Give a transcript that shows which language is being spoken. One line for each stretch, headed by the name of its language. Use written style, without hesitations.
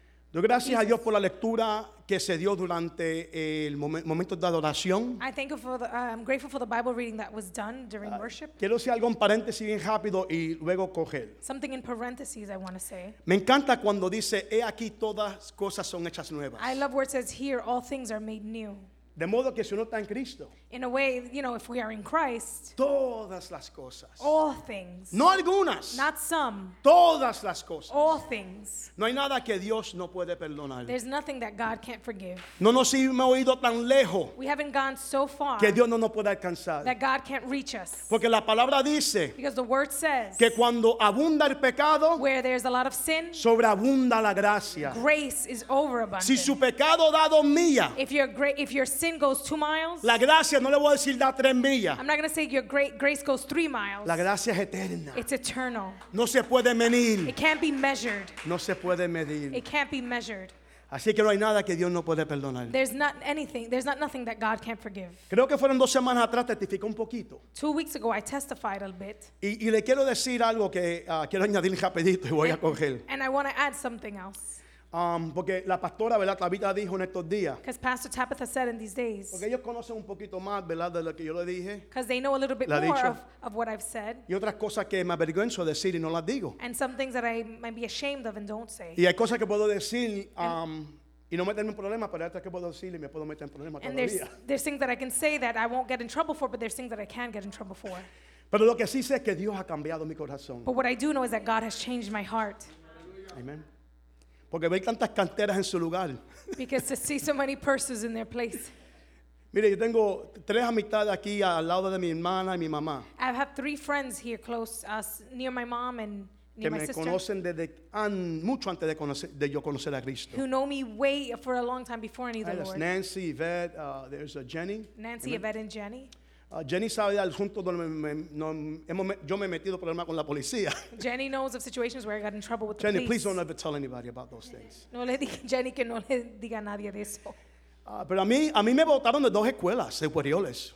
Spanish: Doy gracias a Dios por la lectura que se dio durante el momento de adoración.
English: I thank you for I'm grateful for the Bible reading that was done during worship.
Spanish: Quiero decir algo en paréntesis bien rápido y luego coger.
English: Something in parentheses I want to say.
Spanish: Me encanta cuando dice, he aquí todas cosas son hechas nuevas.
English: I love where it says, here all things are made new.
Spanish: De modo que si uno está en Cristo.
English: In a way, you know, if we are in Christ.
Spanish: Todas las cosas.
English: All things.
Spanish: No algunas.
English: Not some.
Spanish: Todas las cosas.
English: All things.
Spanish: No hay nada que Dios no puede perdonar.
English: There's nothing that God can't forgive.
Spanish: No nos hemos ido tan lejos.
English: We haven't gone so far.
Spanish: Que Dios no nos puede alcanzar.
English: That God can't reach us.
Spanish: Porque la palabra dice.
English: Because the word says.
Spanish: Que cuando abunda el pecado.
English: Where there's a lot of sin.
Spanish: Sobreabunda la gracia.
English: Grace is overabundant.
Spanish: Si su pecado da 2 millas.
English: If your sin goes 2 miles.
Spanish: La gracia no le voy a decir da 3 millas.
English: I'm not going to say your grace goes 3 miles.
Spanish: La gracia es eterna.
English: It's eternal.
Spanish: No se puede medir.
English: It can't be measured.
Spanish: No se puede medir.
English: It can't be measured.
Spanish: Así que no hay nada que Dios no puede perdonar.
English: There's not anything. There's not nothing that God can't forgive.
Spanish: Creo que fueron dos semanas atrás testificó un poquito.
English: 2 weeks ago I testified a bit.
Spanish: Y le quiero decir algo que quiero añadir rapidito y voy a coger.
English: And I want to add something else.
Spanish: Porque la pastora, ¿verdad? Tabitha dijo en estos días.
English: Because Pastor Tabitha said in these days.
Spanish: Porque ellos conocen un poquito más, ¿verdad? De lo que yo le dije.
English: Because they know a little bit more of what I've said.
Spanish: Y otras cosas que me avergüenzo de decir y no las digo.
English: And some things that I might be ashamed of and don't say.
Spanish: Y hay cosas que puedo decir y no meterme en problemas, pero hay otras que puedo decir y me puedo meter en problemas todavía.
English: And there's things that I can say that I won't get in trouble for, but there's things that I can get in trouble for.
Spanish: Pero lo que sí sé es que Dios ha cambiado mi corazón.
English: But what I do know is that God has changed my heart.
Spanish: Amen. Porque ve tantas canteras en su lugar.
English: Because to see so many purses in their place.
Spanish: Mire, yo tengo tres amistades aquí al lado de mi hermana y mi mamá.
English: I have three friends here close, near my mom and near my sister.
Spanish: Que me conocen desde mucho antes de yo conocer a Cristo.
English: Who know me way for a long time before any of the Lord. There's Nancy, Yvette, there's Jenny. Nancy, amen. Yvette, and Jenny.
Spanish: Jenny sabe al junto donde yo me he metido problemas con la policía.
English: Jenny knows of situations where I got in trouble with the Jenny, police. Jenny, please don't ever tell anybody about those things.
Spanish: No le diga Jenny que no le diga nadie de eso. Pero a mí me botaron de dos escuelas superiores.